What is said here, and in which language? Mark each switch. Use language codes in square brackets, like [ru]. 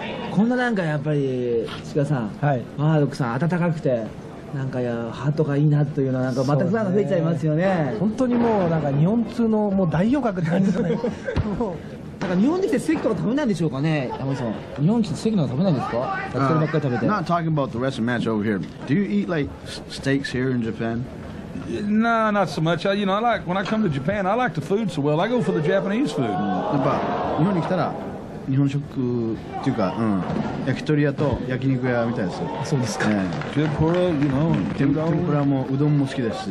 [ja] こんななんかやっぱり志賀さん、はい、マードックさん温かくて、なんかやハートがいいなというのはなんかまた不安が増えちゃいますよね。本当にもうなんか日本通のもう大予感って感じじゃないですか。なんか日本で来てステーキとか食べないんでしょうかね、山本さん。日本で来てステーキとか食べないんですか。焼き鳥ばっかり食べて。 [en] Not talking about the wrestling match over here. Do you eat like steaks here in Japan? No, not so much. You know, I like when I come to Japan, I like the food so well. I go for the Japanese food. [ja] やっぱ日本に来たら日本食っていうか、焼き鳥屋と焼肉屋みたいです。そうですか。 [en] Tempura, you know. [ja] 天ぷらもうどんも好きですし。